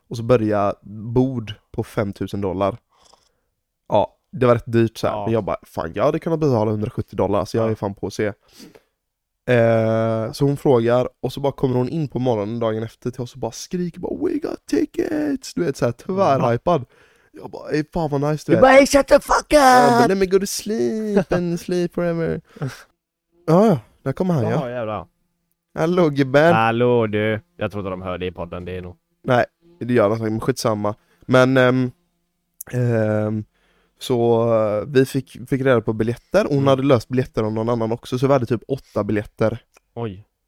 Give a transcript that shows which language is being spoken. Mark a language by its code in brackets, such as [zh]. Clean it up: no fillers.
[sv] Och så börjar bord på $5,000. Ja, det var rätt dyrt såhär. Ja. Men jag bara, fan, jag hade kunnat betala $170. Så jag är fan på att se. Så hon frågar och så bara kommer hon in på morgonen dagen efter till oss och bara skriker bara, [en] we got tickets, [sv] du vet, såhär tvärhypad. Jag bara, ey, fan vad nice, du vet. [en] Bara, hey, shut the fuck up. Let me go to sleep and sleep forever. [sv] Ja, där kommer han. Jaha, jävla. Hallå, gubben. Hallå, du. Jag trodde de hörde i podden, det är nog. Nej, det gör något, men skitsamma. Men så vi fick reda på biljetter. Hon hade löst biljetter av någon annan också. Så vi hade typ 8 biljetter. Oj.